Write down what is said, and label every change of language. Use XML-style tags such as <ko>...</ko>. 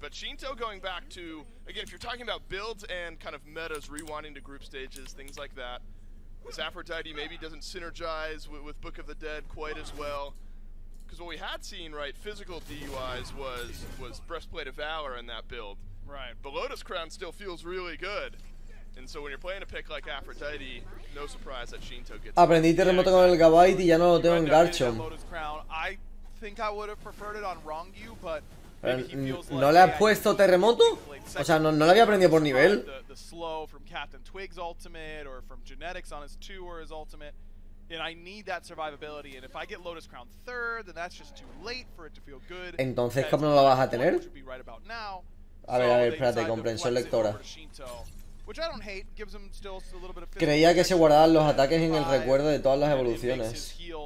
<en>But Shinto going back to, again, if you're talking about builds and kind of metas rewinding to group stages, things like that, this Aphrodite maybe doesn't synergize with Book of the Dead quite as well. Because what we had seen, right, physical DUIs was Breastplate of Valor in that build. Right. But Lotus Crown still feels really good. And so when you're playing a pick like Aphrodite, no surprise that Shinto gets.</en> <es>Aprendí terremoto con el Gabite y ya no lo tengo en Garchomp.</es> <en>I think I would have preferred it on Rongyu, but</en> <es>no le ha puesto terremoto? O sea, no lo había aprendido por nivel.</es> <en>The slow from Captain Twig's ultimate or from Genetics on his 2 or his ultimate. And I need that survivability, and if I get Lotus Crown 3rd, then that's just too late for it to feel good.</en> <es>Entonces, ¿cómo no lo vas a tener? A ver, espérate, comprensión lectora.</es> <en>Which I don't hate, gives him still a little bit of.</en> <es>Creía que se guardaban los ataques en el recuerdo de todas las evoluciones.</es>